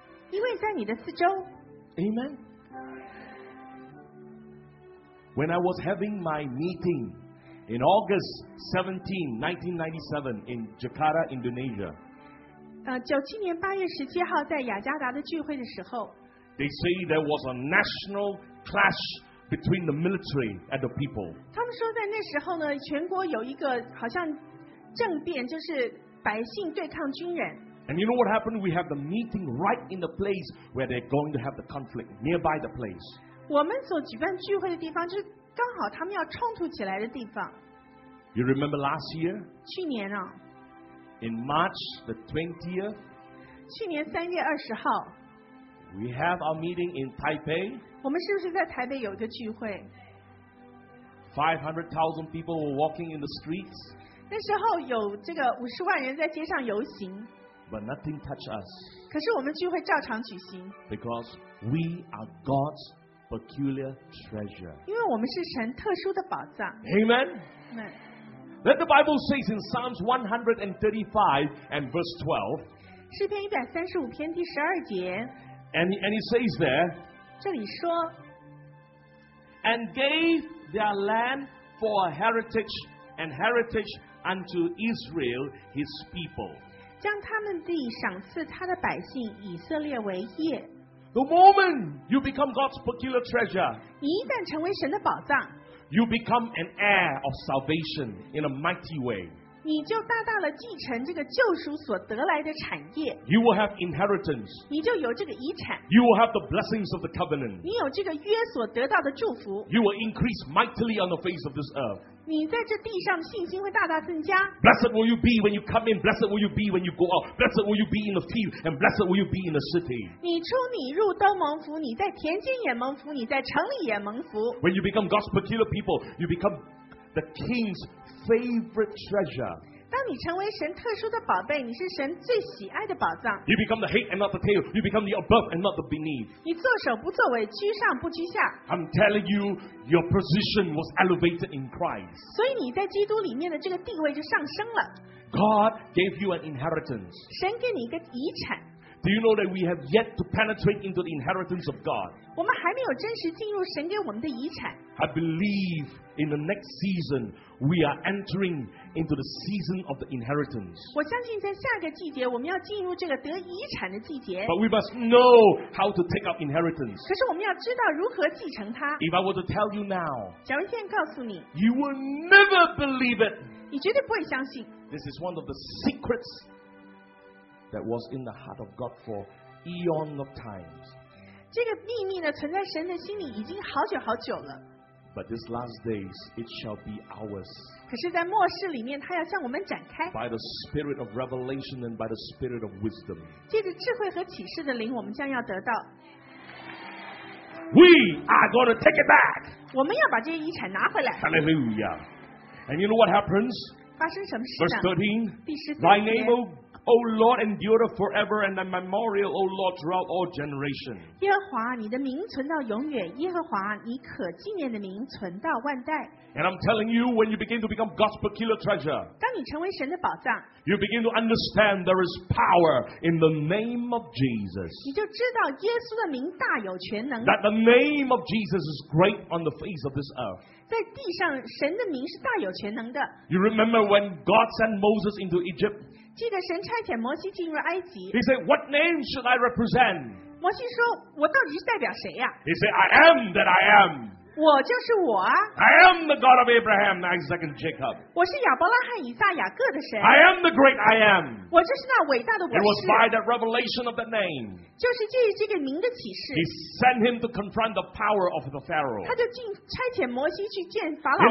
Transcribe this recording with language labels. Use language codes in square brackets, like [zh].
[zh] 因为在你的四周, [en] Amen. When I was having my meeting, In August 17, 1997, in Jakarta, Indonesia, [zh] 97年 8月 17号 在雅加达的聚会的时候， [en] they say there was a national clash between the military and the people. [zh] 他们说在那时候呢，全国有一个好像政变，就是百姓对抗军人。 [en] And you know what happened? We have the meeting right in the place where they're going to have the conflict, nearby the place. [zh] 我们所举办聚会的地方就是刚好他们要冲突起来的地方。 [en] You remember last year? [zh] 去年啊。 [en] In March the 20th. [zh] 去年三月二十号。 [en] We have our meeting in Taipei. [zh] 我们是不是在台北有一个聚会？ [en] 500,000 people were walking in the streets. [zh] 那时候有这个500,000人在街上游行。 [en] But nothing touched us. [zh] 可是我们聚会照常举行。 [en] Because we are God's peculiar treasure. [zh] 因为我们是神特殊的宝藏。 [en] Amen. Amen. Then the Bible says in Psalms 135 and verse 12. [zh] 诗篇一百三十五篇第十二节。 [en] And he says there. [zh] 这里说。 [en] And gave their land for a heritage, an heritage unto Israel, his people. [zh] 将他们地赏赐他的百姓以色列为业。 [en] The moment you become God's peculiar treasure, [zh] 你一旦成为神的宝藏， [en] you become an heir of salvation in a mighty way. [zh] 你就大大的继承这个救赎所得来的产业。 [en] You will have inheritance. [zh] 你就有这个遗产。 [en] You will have the blessings of the covenant. [zh] 你有这个约所得到的祝福。 [en] You will increase mightily on the face of this earth. [zh] 你在这地上信心会大大增加。 [en] Blessed will you be when you come in. Blessed will you be when you go out. Blessed will you be in the field, and blessed will you be in the city. [zh] 你出你入都蒙福，你在田间也蒙福，你在城里也蒙福。 [en] When you become God's peculiar people, you become the king's favorite treasure. [zh] 当你成为神特殊的宝贝，你是神最喜爱的宝藏。 [en] You become the head and not the tail. You become the above and not the beneath. [zh] 你作首不作尾，居上不居下。 [en] I'm telling you. Your position was elevated in Christ. [zh] 所以你在基督里面的这个地位就上升了。 [en] God gave you an inheritance. [zh] 神给你一个遗产。 [en] Do you know that we have yet to penetrate into the inheritance of God? [zh] 我们还没有真实进入神给我们的遗产。 [en] I believe in the next season, we are entering into the season of the inheritance. [zh] 我相信在下个季节，我们要进入这个得遗产的季节。 [en] But we must know how to take up inheritance. [zh] 可是我们要知道如何继承它。 [en] If I were to tell you now, [zh] 假如现在告诉你， [en] you will never believe it. [zh] 你绝对不会相信。 [en] This is one of the secrets. That was in the heart of God for eons of times. [zh] 这个秘密呢，存在神的心里已经好久好久了。 [en] But these last days, it shall be ours. [zh] 可是，在末世里面，他要向我们展开。 [en] By the Spirit of Revelation and by the Spirit of Wisdom. [zh] 借着智慧和启示的灵，我们将要得到。 [en] We are going to take it back. [zh] 我们要把这些遗产拿回来。 [en] Hallelujah! And you know what happens? [zh] 发生什么事呢？ [en] Verse 13. [zh] 第十三 [en] 节。Thy name, O Lord, endure forever, and thy memorial, O Lord, throughout all generations. [zh] 耶和华，你的名存到永远。耶和华，你可纪念的名存到万代。 [en] And I'm telling you, when you begin to become God's peculiar treasure, [zh] 当你成为神的宝藏， [en] you begin to understand there is power in the name of Jesus. [zh] 你就知道耶稣的名大有全能。 [en] That the name of Jesus is great on the face of this earth. [zh] 在地上，神的名是大有全能的。 [en] You remember when God sent Moses into Egypt? [zh] 记得神差遣摩西进入埃及。 [en] He said, "What name should I represent?" [zh] 摩西说，我到底是代表谁呀？ [en] He said, "I am that I am." [zh] 我就是我啊。 [en] I am the God of Abraham, Isaac, and Jacob. [zh] 我是亚伯拉罕、以撒、雅各的神。 [en] I am the Great I Am. [zh] 我就是那伟大的我是。 [en] It was by the revelation of the name. [zh] 就是借这个名的启示。 [en] He sent him to confront the power of the Pharaoh. [zh] 他就进差遣摩西去见法老王。